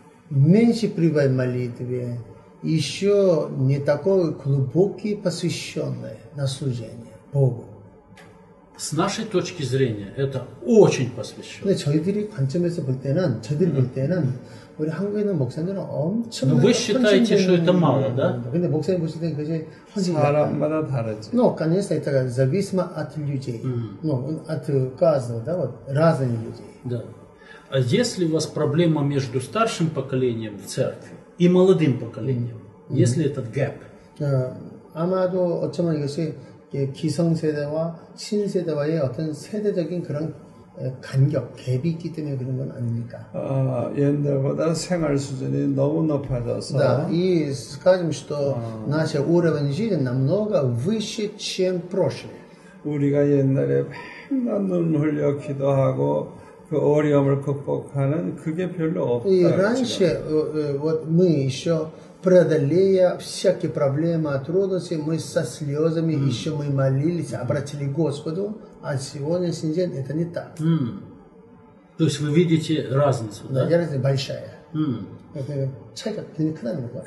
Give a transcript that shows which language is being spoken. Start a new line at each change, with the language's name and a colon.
Russian: меньше прибавь молитве, еще не такой глубокий посвященный на служение Богу. С нашей точки зрения это очень посвященно. Но
Korean: 저희들이 관점에서 볼 때는 저희들이 볼 때는 우리 한국에 있는 목사님들은 엄청난
Russian: Но вы считаете, что это мало, да?
Korean: 근데 목사님 보실 때 그게 사람마다 다르지.
Russian: Ну, конечно, это зависимо от людей. Ну, от каждого, да, вот разные люди. Да. А есть ли у вас проблема между старшим поколением в церкви и молодым поколением? Есть ли этот гэп?
Korean: 아마도 어쩌면 이것이 기성세대와 신세대와의 어떤 세대적인 그런 간격, 갭이 있기 때문에 그런 건 아닙니까? 옛날보다 생활 수준이 너무 높아져서
Russian: да, и скажем, что наш уровень жизни намного выше, чем прошлый.
Korean: 우리가 옛날에 맨날 눈 흘려 기도하고 그 어려움을 극복하는 그게 별로 없다.
Russian: И раньше, вот мы еще преодолея всякие проблемы, трудности, мы со слезами еще мы молились, обратили к Господу, а сегодняшний день это не так. То есть вы видите разницу, да? Да, разница большая. Это не к нам было.